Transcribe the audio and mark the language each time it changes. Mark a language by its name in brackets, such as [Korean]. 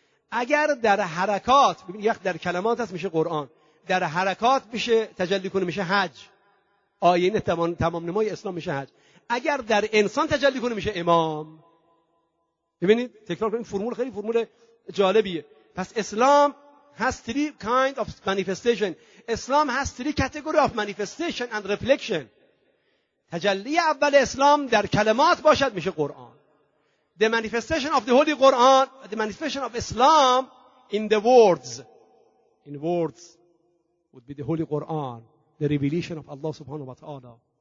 [Persian] اگر در حرکات، ببین یک در کلمات هست میشه قرآن، در حرکات میشه تجلی کنه میشه حج، آینه تمام نمای اسلام میشه حج. اگر در انسان تجلی کنه میشه امام. ببینید، تکرار کنید، فرمول خیلی فرمول جالبیه. [English] پس Islam has three kind of manifestation. Islam has three category of manifestation and reflection. [Persian] تجلی اول اسلام در کلمات باشد میشه قرآن. [English] The manifestation of the holy Quran, the manifestation of Islam in the words. In words would be the holy Quran, the revelation of Allah subhanahu wa ta'ala.